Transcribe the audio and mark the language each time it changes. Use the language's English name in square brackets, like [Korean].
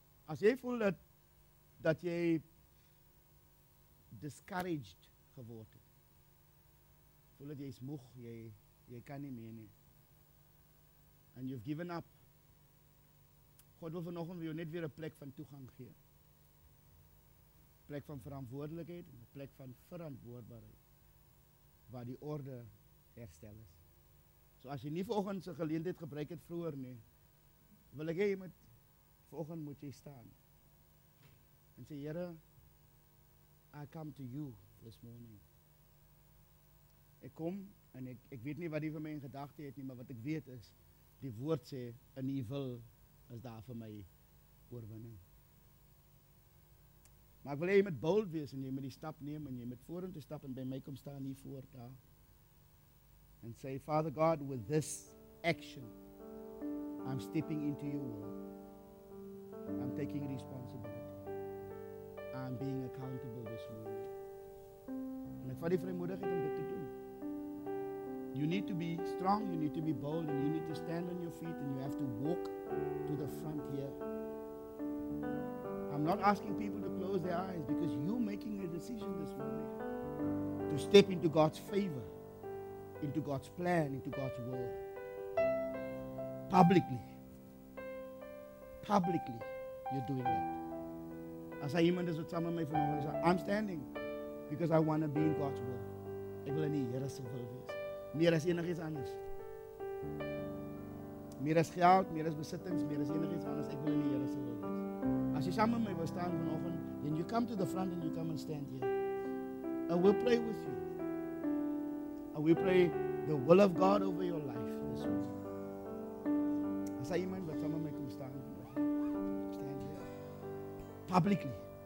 [Afrikaans] As jy voel dat jy discouraged geword het, voel dat jy is moeg, jy kan nie meer nie, [English] and you've given up, [Afrikaans] God wil vanoggend vir jou net weer 'n plek van toegang gee. Plek van verantwoordelikheid, plek van verantwoordbaarheid, waar die orde herstel is. So as jy nie vanoggend se geleentheid gebruik het vroeër nie, wil ek hê jy moet vanoggend moet jy staan. En sê, [English] Here, I come to you this morning. [Afrikaans] Ek kom en ek weet nie wat die vir my in gedagte het nie, maar wat ek weet is, die woord sê, in u wil is daar vir my oorwinning. Maar ek wil hê jy moet bold wees en jy moet die stap neem en jy moet vorentoe stap en by my kom staan hier voor daar. [English] And say, Father God, with this action, I'm stepping into your will. I'm taking responsibility. I'm being accountable this morning. [Afrikaans] And ek vat die vrymoedigheid om dit te doen. [English] You need to be strong, you need to be bold, and you need to stand on your feet, and you have to walk to the front here. I'm not asking people to close their eyes because you're making a decision this morning to step into God's favor, into God's plan, into God's will. Publicly, you're doing that. [Afrikaans] As I iemand is wat saam met my vanoggend, [English] I'm standing because I want to be in God's will. [Afrikaans] Ek wil in die Here se wil wees. Meer as enigiets anders. Meer as geld, meer as besittings, meer as enigiets anders. Ek wil in die Here se wil wees. As jy saam met my wil staan vanoggend, [English] then you come to the front and you come and stand here. I will pray with you. And we pray the will of God over your life this morning. [Afrikaans] As I iemand wat saam met my kom staan, [English] stand here. Publicly.